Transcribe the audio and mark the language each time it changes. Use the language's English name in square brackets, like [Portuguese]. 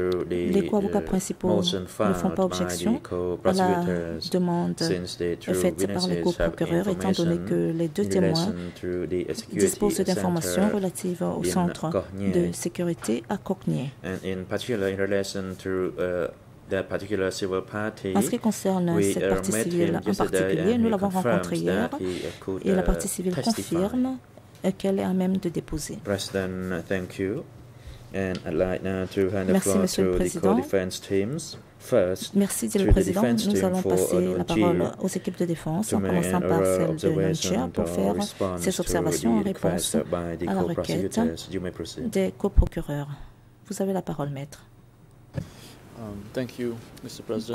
[French] Les co-avocats principaux ne font pas objection à la demande faite par les coprocureurs, étant donné que les deux témoins disposent d'informations relatives au centre de sécurité à [English] Cognier. That particular civil party, [French] en ce qui concerne cette partie civile en particulier, nous l'avons rencontrée hier et la partie civile confirme qu'elle est à même de déposer. [English] President, thank you. And I'd like now to hand the floor to the co-defense teams. First, [French] merci, Monsieur le Président. Nous allons passer la parole aux équipes de défense, en commençant par celle de Nunchia, pour faire ses observations en réponse à la requête des coprocureurs. Vous avez la parole, maître. [English] Thank you, Mr. President.